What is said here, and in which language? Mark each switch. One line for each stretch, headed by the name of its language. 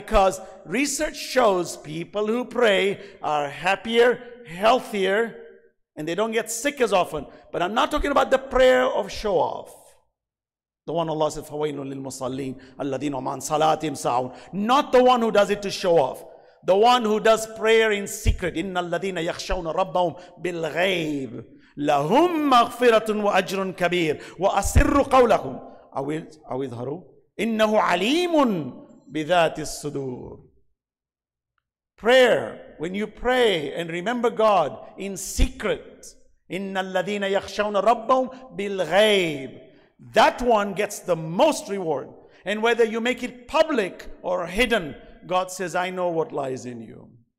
English: Because research shows people who pray are happier, healthier, and they don't get sick as often. But I'm not talking about the prayer of show off. The one Allah said,
Arabic: "Fawailun lil musallin alladhina man salatihim sa'un."
English: Not the one who does it to show off. The one who does prayer in secret.
Arabic: "Inna alladhina yakhshawna rabbahum bil ghayb لَهُمْ مَغْفِرَةٌ وَأَجْرٌ كَبِيرٌ وَأَسِرُّ قَوْلَكُمْ أَوْ اِذْهَرُوا إِنَّهُ عَلِيمٌ بِذَاتِ الصُّدُورِ.
English: Prayer, when you pray and remember God in secret,
Arabic: إِنَّ الَّذِينَ يَخْشَوْنَ رَبَّهُمْ بِالْغَيْبِ,
English: that one gets the most reward. And whether you make it public or hidden, God says, "I know what lies in you."